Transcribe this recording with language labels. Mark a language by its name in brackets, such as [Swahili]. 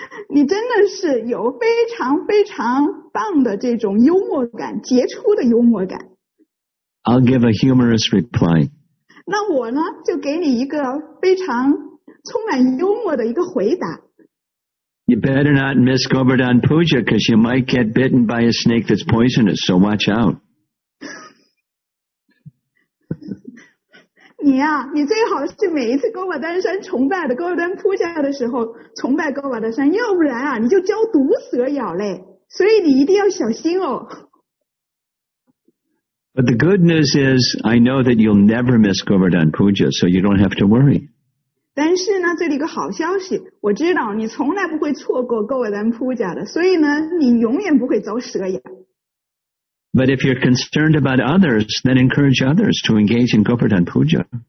[Chinese] 你真的是有非常非常棒的这种幽默感，杰出的幽默感。 [English] I'll give a humorous reply. [Chinese] 那我呢，就给你一个非常充满幽默的一个回答。 [English] You better not miss Govardhan Puja because you might get bitten by a snake that's poisonous, so watch out. [Chinese] 你啊，你最好是每一次高瓦丹山崇拜的高瓦丹扑下的时候崇拜高瓦丹山，要不然啊你就遭毒蛇咬嘞，所以你一定要小心哦。 [English] But the good news is, I know that you'll never miss Govardhan Puja, so you don't have to worry. [Chinese] 但是呢，这里一个好消息，我知道你从来不会错过高瓦丹扑下的，所以呢，你永远不会遭蛇咬。 [English] But if you're concerned about others, then encourage others to engage in Govardhan Puja.